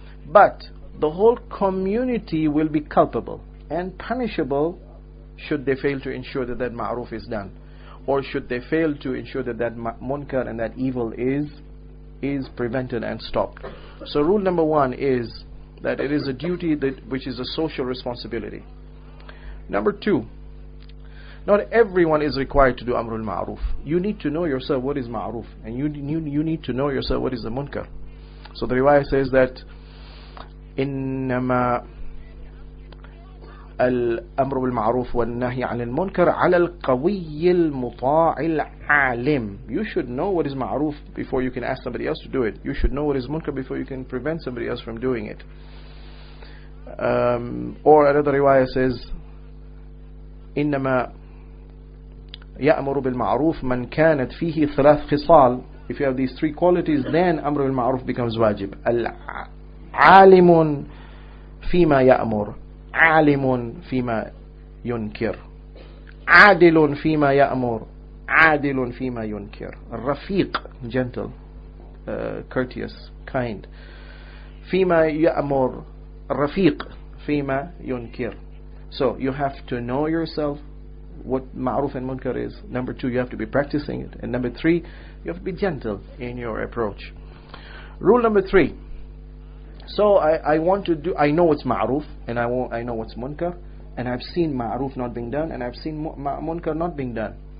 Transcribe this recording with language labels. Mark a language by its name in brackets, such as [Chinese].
[English] But the whole community will be culpable and punishable should they fail to ensure that that ma'ruf is done, or should they fail to ensure that that munkar and that evil is prevented and stopped. So rule number one is that it is a duty which is a social responsibility. Number two, not everyone is required to do Amrul Ma'ruf. You need to know yourself what is Ma'ruf, and you need to know yourself what is the Munkar. So the riwayah says that [Arabic] إِنَّمَا الْأَمْرُ بِالْمَعْرُوفِ وَالنَّهِي عَلَى الْمُنْكَرِ عَلَى الْقَوِيِّ الْمُطَاعِ الْعَالِمِ. [English] You should know what is Ma'ruf before you can ask somebody else to do it. You should know what is Munkar before you can prevent somebody else from doing it. Or another riwayah says, [Arabic] إنما يأمر بالمعروف من كانت فيه ثلاث خصال. [English] If you have these three qualities, then أمر بالمعروف becomes واجب. [Arabic] العالم فيما يأمر, عالم فيما ينكر, عادل فيما يأمر, عادل فيما ينكر. الرفيق, [English] gentle, courteous, kind, [Arabic] فيما يأمر, رفيق فيما ينكر. [English] So you have to know yourself what ma'ruf and munkar is. Number two, you have to be practicing it. And number three, you have to be gentle in your approach. Rule number three. So I know what's ma'ruf, and I know what's munkar, and I've seen ma'ruf not being done, and I've seen munkar not being done.